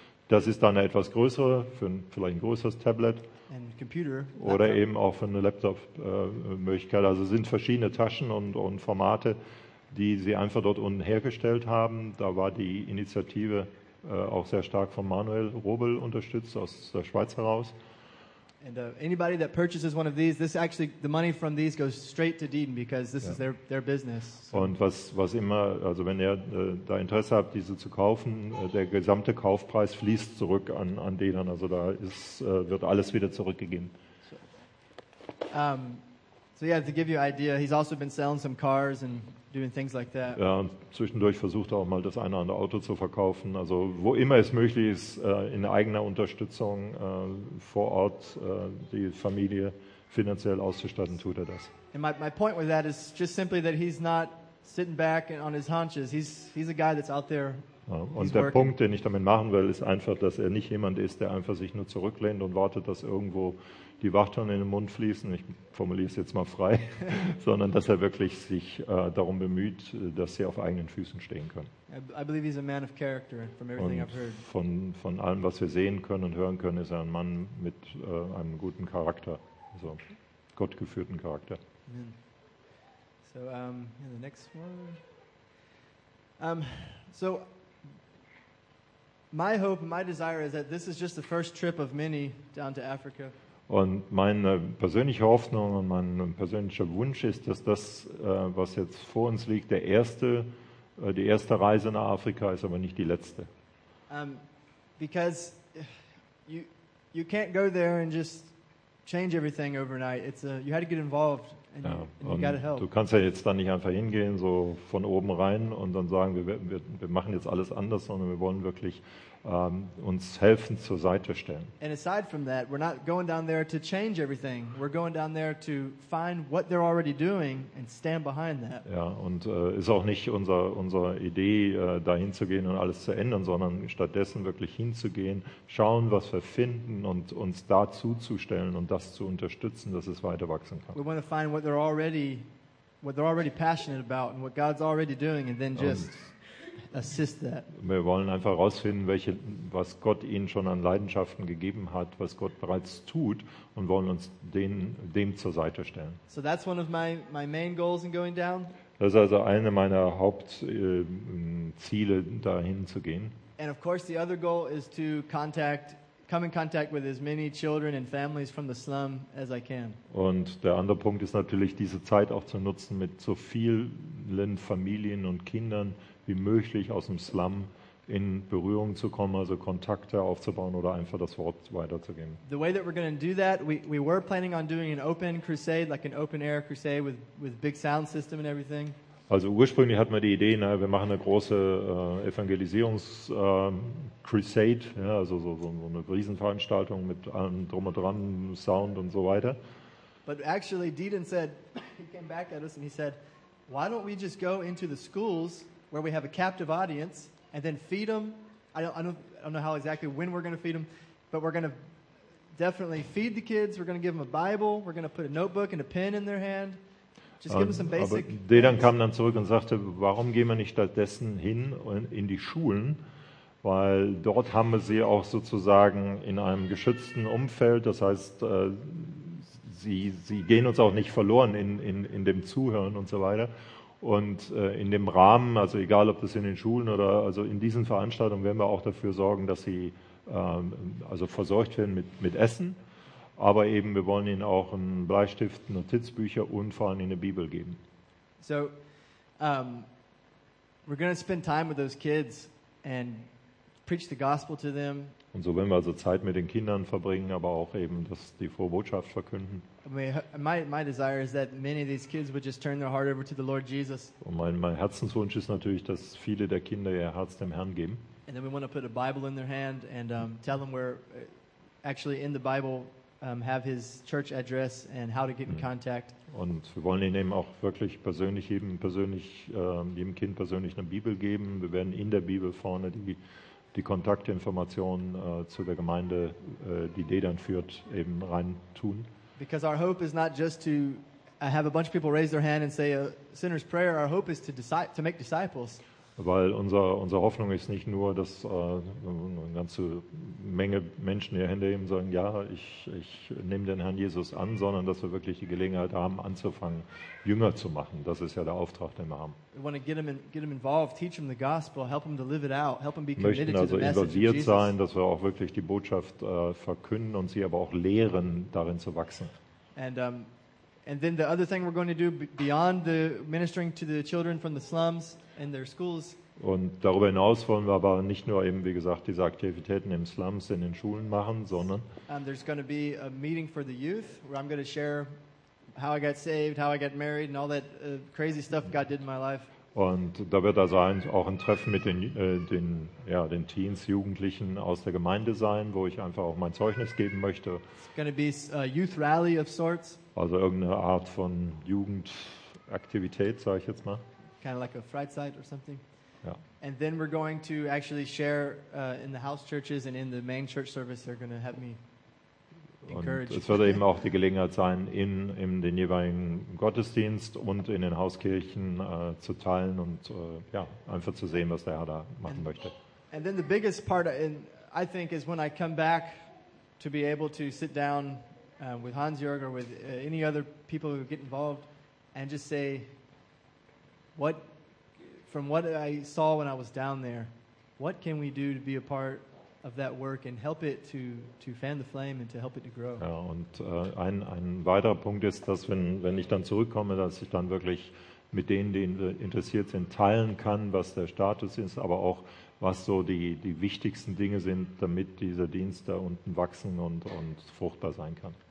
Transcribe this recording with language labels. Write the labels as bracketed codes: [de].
[de] Das ist dann eine etwas größere, für ein, vielleicht ein größeres Tablet. [en] And computer, [de] oder eben auch für eine Laptop-Möglichkeit. Also sind verschiedene Taschen und Formate, die sie einfach dort unten hergestellt haben. Da war die Initiative auch sehr stark von Manuel Robel unterstützt, aus der Schweiz heraus. [en] And anybody that purchases one of these, this actually, the money from these goes straight to Deeden, because this is their business. [de] Und was immer, also wenn ihr da Interesse habt, diese zu kaufen, der gesamte Kaufpreis fließt zurück an Deeden. Also da ist, wird alles wieder zurückgegeben. [en] So yeah, to give you an idea, he's also been selling some cars and doing things like that. [de] Ja, und zwischendurch versucht er auch mal das eine oder andere Auto zu verkaufen. Also wo immer es möglich ist, in eigener Unterstützung vor Ort die Familie finanziell auszustatten, tut er das. [en] And my point with that is just simply that he's not sitting back and on his haunches. He's a guy that's out there. [de] Ja, und der Punkt, den ich damit machen will, ist einfach, dass er nicht jemand ist, der einfach sich nur zurücklehnt und wartet, dass irgendwo die Wachteln in den Mund fließen, ich formuliere es jetzt mal frei, sondern dass er wirklich sich darum bemüht, dass sie auf eigenen Füßen stehen können. [en] I believe he's a man of character, from everything [de] und [en] I've heard. [de] Von allem, was wir sehen können und hören können, ist er ein Mann mit einem guten Charakter, also gottgeführten Charakter. [en] Amen. So, the next one. So, my hope, my desire is that this is just the first trip of many down to Africa. [de] Und meine persönliche Hoffnung und mein persönlicher Wunsch ist, dass das, was jetzt vor uns liegt, die erste Reise nach Afrika ist, aber nicht die letzte. [en] Because you can't go there and just change everything overnight. It's you had to get involved and, [de] ja, [en] and you got to help. [de] Du kannst ja jetzt dann nicht einfach hingehen so von oben rein und dann sagen, wir machen jetzt alles anders, sondern wir wollen wirklich uns helfen, zur Seite stellen. [en] And aside from that, we're not going down there to change everything. We're going down there to find what they're already doing and stand behind that. [de] Ja, und ist auch nicht unsere Idee, dahin zu gehen und alles zu ändern, sondern stattdessen wirklich hinzugehen, schauen, was wir finden und uns dazu zu stellen und das zu unterstützen, dass es weiter wachsen kann. [en] We want to find what they're already passionate about and what God's already doing and then just assist that. [de] Wir wollen einfach herausfinden, was Gott ihnen schon an Leidenschaften gegeben hat, was Gott bereits tut, und wollen uns dem zur Seite stellen. [en] So that's one of my main goals in going down. [de] Das ist also eine meiner Hauptziele, dahin zu gehen. [en] And of course the other goal is to come in contact with as many children and families from the slum as I can. [de] Und der andere Punkt ist natürlich, diese Zeit auch zu nutzen, mit so vielen Familien und Kindern wie möglich aus dem Slum in Berührung zu kommen, also Kontakte aufzubauen oder einfach das Wort weiterzugeben. [en] The way that we're going to do that, we were planning on doing an open crusade, like an open air crusade with big sound system and everything. [de] Also ursprünglich hatten wir die Idee, na, wir machen eine große Evangelisierungs Crusade, ja, also so eine Riesenveranstaltung mit allem drum und dran, Sound und so weiter. [en] But actually Deeden said, he came back at us and he said, why don't we just go into the schools where we have a captive audience and then feed them. I don't know how exactly when we're going to feed them, but we're going to definitely feed the kids. We're going to give them a Bible. We're going to put a notebook and a pen in their hand. Just give them some basic. [de] Deeden kam dann zurück und sagte, warum gehen wir nicht stattdessen hin in die Schulen? Weil dort haben wir sie auch sozusagen in einem geschützten Umfeld. Das heißt, sie gehen uns auch nicht verloren in dem Zuhören und so weiter. Und in dem Rahmen, also egal ob das in den Schulen oder also in diesen Veranstaltungen, werden wir auch dafür sorgen, dass sie also versorgt werden mit Essen, aber eben wir wollen ihnen auch einen Bleistift, Notizbücher und vor allem eine Bibel geben. [en] So, we're going to spend time with those kids and preach the gospel to them. [de] Und so werden wir also Zeit mit den Kindern verbringen, aber auch eben das, die frohe Botschaft verkünden. [en] My desire is that many of these kids would just turn their heart over to the Lord Jesus. [de] Und mein Herzenswunsch ist natürlich, dass viele der Kinder ihr Herz dem Herrn geben. [en] And then we want to put a Bible in their hand and tell them where actually in the Bible have his church address and how to get in contact. [de] Und wir wollen ihnen eben auch wirklich persönlich jedem Kind persönlich eine Bibel geben. Wir werden in der Bibel vorne die Kontaktinformationen zu der Gemeinde, die D dann führt, eben rein tun. [en] Because our hope is not just to have a bunch of people raise their hand and say a sinner's prayer. Our hope is to make disciples. [de] Weil unsere Hoffnung ist nicht nur, dass eine ganze Menge Menschen ihre Hände heben und sagen, ja, ich nehme den Herrn Jesus an, sondern dass wir wirklich die Gelegenheit haben, anzufangen, Jünger zu machen. Das ist ja der Auftrag, den wir haben. [en] We want to get them involved, teach them the gospel, help them to live it out, help them be committed to the message of Jesus. [de] Wir möchten also involviert sein, dass wir auch wirklich die Botschaft verkünden und sie aber auch lehren, darin zu wachsen. [en] And then the other thing we're going to do beyond the ministering to the children from the slums in their schools. [de] Und darüber hinaus wollen wir aber nicht nur eben, wie gesagt, diese Aktivitäten im Slums in den Schulen machen, sondern [en] There's going to be a meeting for the youth where I'm going to share how I got saved, how I got married and all that crazy stuff God did in my life. [de] Und da wird also auch ein Treffen mit den Teens, Jugendlichen aus der Gemeinde sein, wo ich einfach auch mein Zeugnis geben möchte. [en] It's going to be a youth rally of sorts. [de] Also irgendeine Art von Jugendaktivität, sage ich jetzt mal. [en] Kind of like a Freizeit or something. [de] Ja. [en] And then we're going to actually share in the house churches and in the main church service. They're going to help me encourage. [de] Es wird eben auch die Gelegenheit sein, in den jeweiligen Gottesdienst und in den Hauskirchen zu teilen und einfach zu sehen, was der Herr da machen möchte. [en] And then the biggest part, I think, is when I come back to be able to sit down with Hans-Jörg or with any other people who get involved and just say from what I saw when I was down there, what can we do to be a part of that work and help it to fan the flame and to help it to grow. [de] Ja, und ein weiterer Punkt ist, dass wenn ich dann zurückkomme, dass ich dann wirklich mit denen, die interessiert sind, teilen kann, was der Status ist, aber auch was so die wichtigsten Dinge sind, damit dieser Dienst da unten wachsen und fruchtbar sein kann.